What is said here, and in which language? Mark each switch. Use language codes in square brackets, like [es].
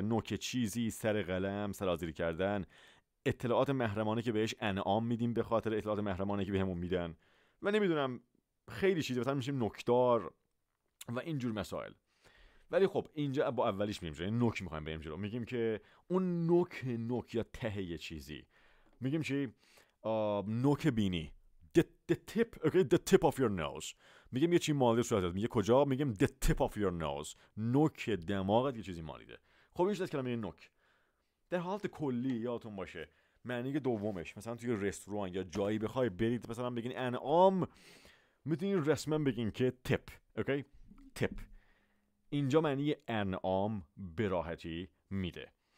[fa] نوک چیزی، سر قلم، سرازیری کردن، اطلاعات محرمانه که بهش انعام میدیم به خاطر اطلاعات محرمانه که بهمون میدن. من نمیدونم خیلی چیزی، مثلا میشیم نکدار و اینجور مسائل. ولی خب اینجا با اولیش میریم جلو، نوک میخوایم بریم جلو. میگیم که اون نوک یا ته یه چیزی. میگیم چی؟ نوک بینی. [en] The tip, okay, the tip of your nose. [fa] میگم یه چی مالیده صورتت، میگه کجا؟ میگم [en] the tip of your nose. [fa] نوک دماغت یه چیزی مالیده. خب این شده از کلمه نوک. در حالت کلی یادتون باشه معنی دومش، مثلا توی رستوران یا جایی بخوای برید مثلا بگین انعام، میتونین رسما بگین که tip. okay, tip. اینجا معنی انعام براحتی میده.